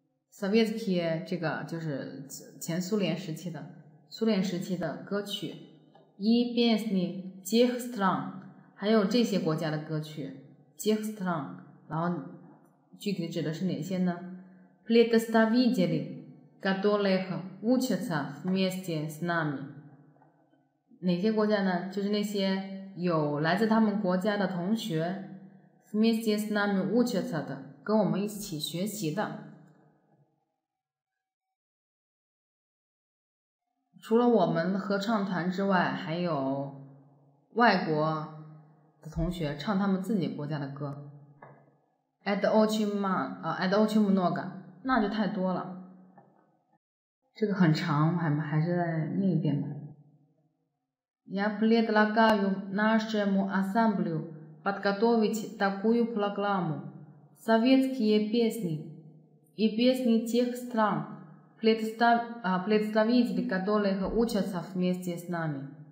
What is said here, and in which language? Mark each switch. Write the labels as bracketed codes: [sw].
[zh] советские 这个就是前苏联时期的歌曲 [ru] и песни тех стран, [zh] 还有这些国家的歌曲 [ru] тех стран, [zh] 然后具体指的是哪些呢 [ru] представители которых учатся вместе с нами, [zh] 哪些国家呢，就是那些有来自他们国家的同学 [ru] вместе с нами учатся 的， [zh] 跟我们一起学习的。除了我们合唱团之外，还有外国的同学唱他们自己国家的歌。 [ru] Это очень много, [zh] 那就太多了。这个很长，还是在另一边吧。 [ru] Я предлагаю нашему ансамблю подготовить такую программу советские песни и песни тех стран. представители которых учатся вместе с нами.